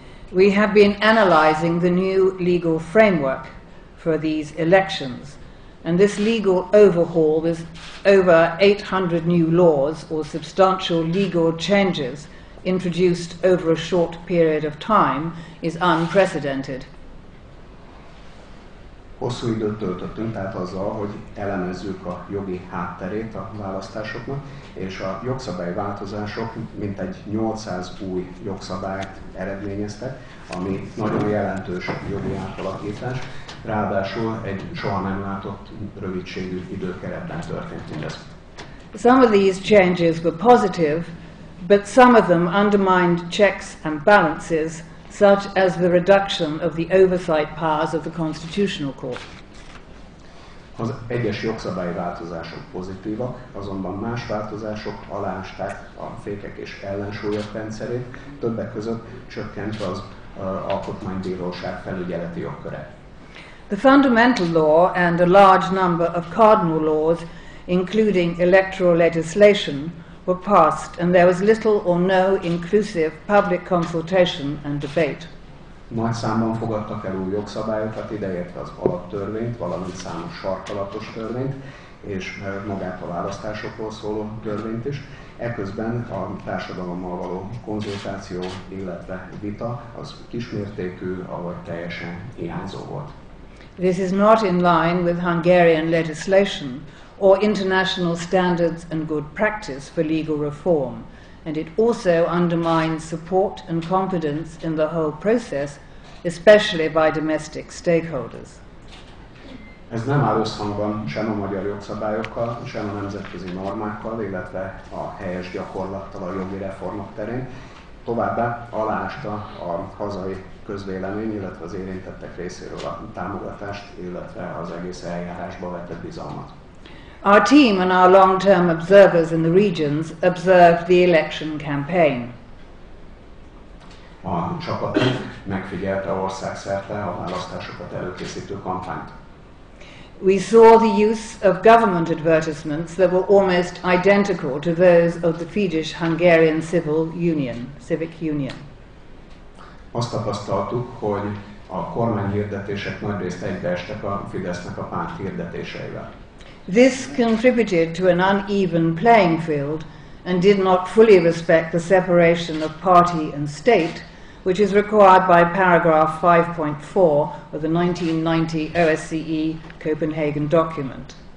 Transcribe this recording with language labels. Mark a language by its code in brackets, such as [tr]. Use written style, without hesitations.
[en] We have been analyzing the new legal framework for these elections. And this legal overhaul is over 800 new laws or substantial legal changes introduced over a short period of time is unprecedented. [hu] Hosszú időt töltöttünk tehát azzal, hogy elemezzük a jogi hátterét a választásoknak, és a jogszabály változások mintegy 800 új jogszabályt eredményeztek, ami nagyon jelentős jogi átalakítás. Ráadásul egy soha nem látott rövidségű időkeretben történt mindez. [en] Some of these changes were positive, but some of them undermined checks and balances, such as the reduction of the oversight powers of the Constitutional Court. [hu] Az egyes jogszabályi változások pozitívak, azonban más változások aláásták a fékek és ellensúlyok rendszerét, többek között csökkent az Alkotmánybíróság felügyeleti jogköre. [en] The fundamental law and a large number of cardinal laws, including electoral legislation, were passed, and there was little or no inclusive public consultation and debate. [hu] Nagy számban fogadtak el új jogszabályokat, ideértve az alaptörvényt, valamint számos sarkalatos törvényt, és magát a választásokról szóló törvényt is. Eközben a társadalommal való konzultáció, illetve vita, az kismértékű, avagy teljesen hiányzó volt. [en] This is not in line with Hungarian legislation or international standards and good practice for legal reform, and it also undermines support and confidence in the whole process, especially by domestic stakeholders. [hu] Ez nem áll összhangban sem a magyar jogszabályokkal, sem a nemzetközi normákkal, illetve a helyes gyakorlattal a jogi reformok terén. Továbbá aláásta a hazai közvélemény, illetve az érintettek részéről a támogatást, illetve az egész eljárásba vetett bizalmat. [en] Our team and our long-term observers in the regions observed the election campaign. [hu] A csapatunk megfigyelte országszerte a választásokat előkészítő kampányt. [en] We saw the use of government advertisements that were almost identical to those of the Fidesz-Hungarian civic union. [hu] Azt tapasztaltuk, hogy a kormány hirdetések nagy részt egybeestek a Fidesznek a párt hirdetéseivel. [en] This contributed to an uneven playing field and did not fully respect the separation of party and state, which is required by paragraph 5.4 of the 1990 OSCE Copenhagen document.